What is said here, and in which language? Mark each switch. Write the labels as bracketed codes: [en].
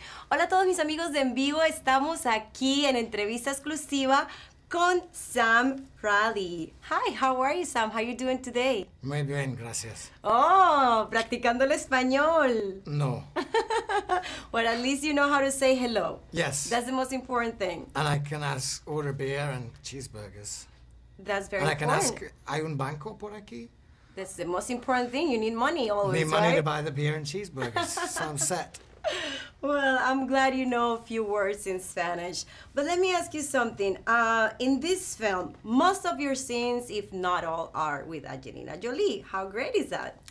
[es] Hola a todos mis amigos de En Vivo, estamos aquí en entrevista exclusiva con Sam Riley. [en] Hi, how are you, Sam? How are you doing today? [es] Muy bien, gracias. Oh, practicando el español. [en] No. Well, at least you know how to say hello. Yes. That's the most important thing. And I can ask, order beer and cheeseburgers. That's very And I can ask, [es] ¿hay un banco por aquí? [en] That's the most important thing. You need money always, need money, right? To buy the beer and cheeseburgers, so I'm set. Well, I'm glad you know a few words in Spanish. But let me ask you something. In this film, most of your scenes, if not all, are with Angelina Jolie. How great is that?